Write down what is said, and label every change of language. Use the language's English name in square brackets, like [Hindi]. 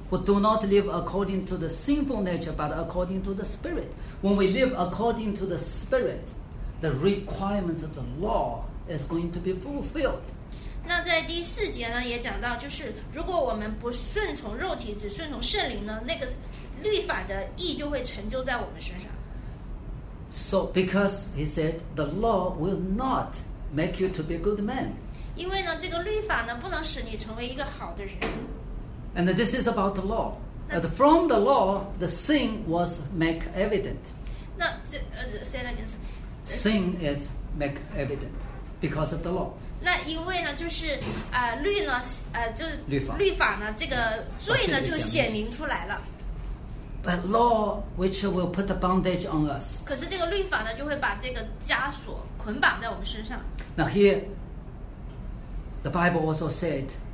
[English] We do not live according to the sinful nature, but according to the Spirit. When we live according to the Spirit, the requirements of the law is going to be fulfilled. [Chinese] 那在第四节呢，也讲到，就是如果我们不顺从肉体，只顺从圣灵呢，那个律法的义就会成就在我们身上。 [English] So, because he said, the law will not make you to be a good man. [Chinese] 因为呢，这个律法呢，不能使你成为一个好的人。 [English] And this is about the law. But from the law, the sin was make evident. [Chinese] 那这 [English] say that again. Sin is make evident because of the law. [Chinese] 那因为呢，就是律呢，就是律法呢，这个罪呢就显明出来了。 [English] But law which will put the bondage on us. [Chinese] 可是这个律法呢，就会把这个枷锁捆绑在我们身上。 [English] Now here, the Bible also said.